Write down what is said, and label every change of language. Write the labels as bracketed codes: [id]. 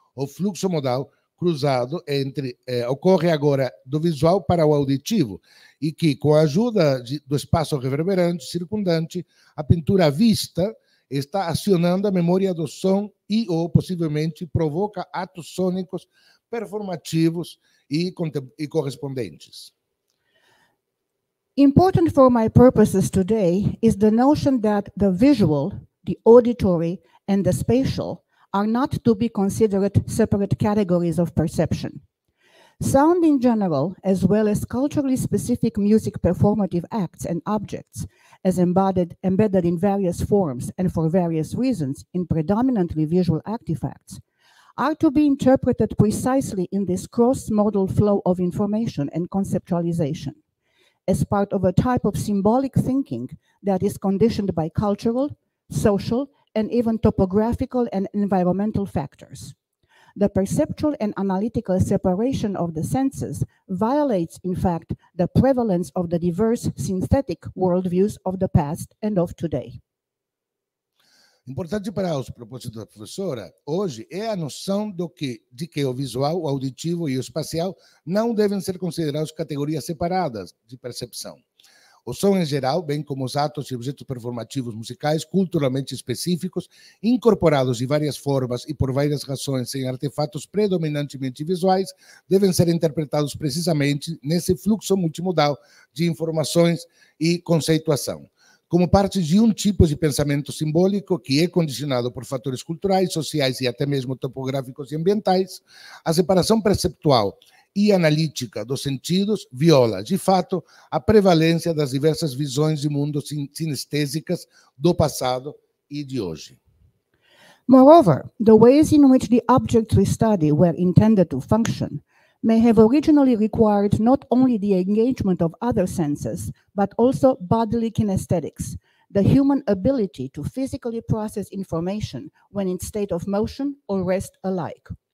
[pt] O fluxo modal cruzado ocorre agora do visual para o auditivo e que, com a ajuda do espaço reverberante, circundante, a pintura vista está acionando a memória do som e ou, possivelmente, provoca atos sônicos performativos e correspondentes. [en] Important for my purposes today is the notion that the visual, the auditory, and the spatial are not to be considered separate categories of perception. Sound in general, as well as culturally specific music performative acts and objects, as embedded in various forms and for various reasons in predominantly visual artifacts, are to be interpreted precisely in this cross-modal flow of information and conceptualization, as part of a type of symbolic thinking that is conditioned by cultural, social, and even topographical and environmental factors. The perceptual and analytical separation of the senses violates, in fact, the prevalence of the diverse synthetic worldviews of the past and of today. [pt] Importante para os propósitos da professora, hoje é a noção de que o visual, o auditivo e o espacial não devem ser considerados categorias separadas de percepção. O som em geral, bem como os atos e objetos performativos musicais culturalmente específicos, incorporados de várias formas e por várias razões em artefatos predominantemente visuais, devem ser interpretados precisamente nesse fluxo multimodal de informações e conceituação, como parte de um tipo de pensamento simbólico que é condicionado por fatores culturais, sociais e até mesmo topográficos e ambientais, a separação perceptual e analítica dos sentidos viola, de fato, a prevalência das diversas visões de mundo sinestésicas do passado e de hoje. [en] Moreover, the ways in which the objects we study were intended to function may have originally required not only the engagement of other senses, but also bodily kinesthetics, the human ability to physically process information when in state of motion or rest alike.